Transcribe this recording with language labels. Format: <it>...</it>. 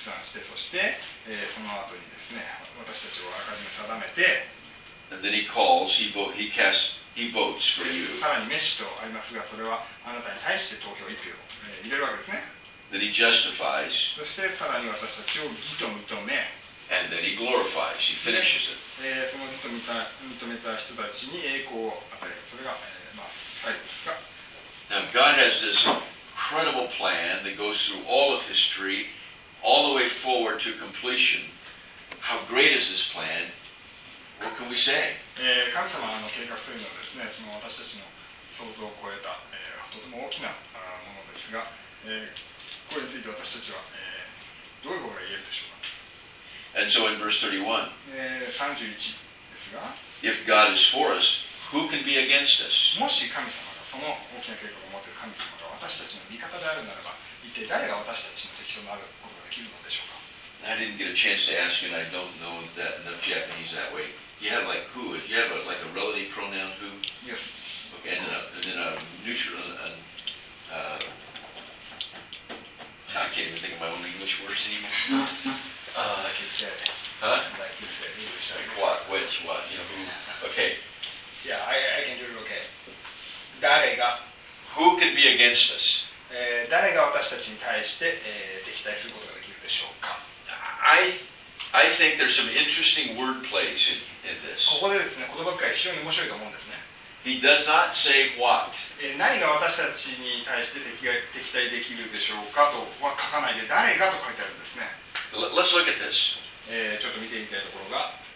<ja>算して、そして、その後にですね、私たちをあらかじめ定めて、</ja> <en>And then he calls, he vote, he casts, he votes for you.</en> <ja>さらにメッシュとありますが、それはあなたに対して投票一票、入れるわけですね。</ja> <en>Then he justifies.</en> <ja>そしてさらに私たちを義と認め、</ja> <en>And then he glorifies. He finishes it.</en> <ja>その義と認めた人たちに栄光を与える。それが、まあ、最後ですか。</ja> <en>Now God has this incredible plan that goes through all of history, all the way forward to completion. How great is this plan? What can we say?</en> <ja>神様の計画というのはですね、その私たちの想像を超えた、とても大きなものですが、これについて私たちは、どういうことが言えるでしょうか。</ja> <en>And so in verse 31,</en> <ja>31ですが、</ja> <en>If God is for us, who can be against us?</en> <ja>もし神様がその大きな計画を持っている神様が私たちの味方であるならば、一体誰が私たちの敵となることができるのでしょうか。</ja> <en>I didn't get a chance to ask you, and I don't know that enough Japanese that way. You have like who? You have like a relative pronoun who? Yes. Okay, and then a neutral. I can't even think of my own English words anymore. like you said. Huh? Like you said, English. Like what? Which? What? You know who? Okay. Yeah, I can do it. Okay.</en> <ja>誰が?</ja> <en>Who could be against us?</en> <ja>誰が私たちに対して敵対することができるでしょうか。</ja> <en>I think there's some interesting word plays in this.</en> <ja>ここでですね、言葉遣い非常に面白いと思うんですね。</ja> <en>He does not say what.</en> <ja>何が私たちに対して敵対できるでしょうかとは書かないで、誰がと書いてあるんですね。</ja> <en>Let's look at this.</en> <ja>ちょっと見てみたいところが。</ja>